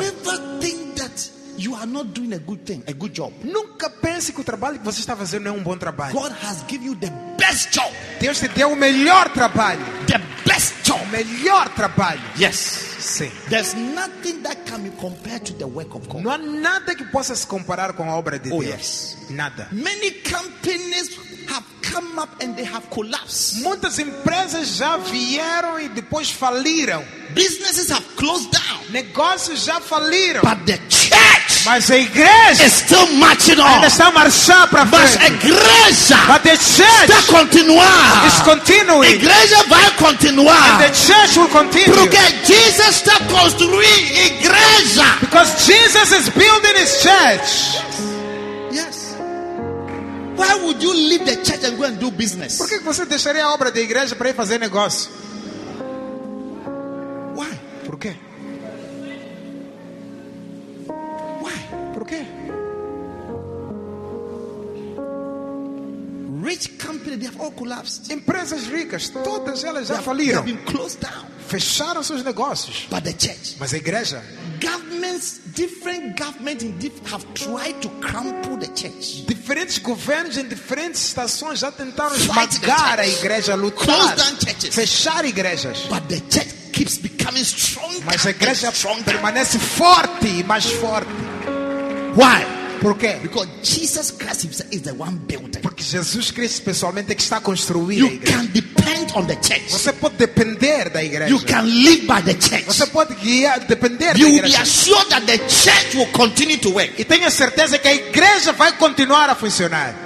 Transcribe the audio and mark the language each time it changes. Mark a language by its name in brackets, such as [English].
[English] Never think that you are not doing a good thing, a good job. [Portuguese] Nunca pense que o trabalho que você está fazendo não é bom trabalho. [English] God has given you the best job. [Portuguese] Deus te deu o melhor trabalho. [English] The best job. [Portuguese] O melhor trabalho. [English] Yes. [Portuguese] Sim. [English] There's nothing that can be compared to the work of God. [Portuguese] Não há nada que possa se comparar com a obra de Deus. [English] Oh yes. [Portuguese] Nada. [English] Many companies have come up and they have collapsed. [Portuguese] Muitas empresas já vieram e depois faliram. [English] Businesses have closed down. [Portuguese] Negócios já faliram. [English] But the church, [Portuguese] mas a igreja, [English] is still marching on. [Portuguese] Ainda está marchando para frente. Mas a igreja, [English] but the church, [Portuguese] está continuando. [English] Is continuing. [Portuguese] A igreja vai continuar. [English] And the church will continue. [Portuguese] Porque Jesus está construindo igreja. [English] Because Jesus is building his church. Why would you leave the church and go and do business? [Portuguese] Por que você deixaria a obra da igreja para ir fazer negócio? [English] Why? [Portuguese] Por quê? [English] Why? [Portuguese] Por quê? [English] Rich companies, they have all collapsed. [Portuguese] Empresas ricas, todas elas já faliram. [English] They have been closed down. [Portuguese] Fecharam seus negócios. [English] But the church. [Portuguese] Mas a igreja. [English] Governments, different governments in have tried to crumple the church. [Portuguese] Diferentes governos em diferentes estações já tentaram esmagar a igreja, lutar, [English] close down churches. [Portuguese] Fechar igrejas. [English] But the church keeps becoming stronger. [Portuguese] Mas a igreja [English] stronger. [Portuguese] Permanece forte e mais forte. [English] Why? [Portuguese] Por quê? [English] Because Jesus Christ himself is the one building. [Portuguese] Porque Jesus Cristo pessoalmente é que está construindo. [English] You can depend on the church. [Portuguese] Você pode depender da igreja. [English] You can live by the church. [Portuguese] Você pode guiar, depender [English] you [Portuguese] da igreja. [English] You will be assured that the church will continue to work. [Portuguese] E tenha certeza que a igreja vai continuar a funcionar.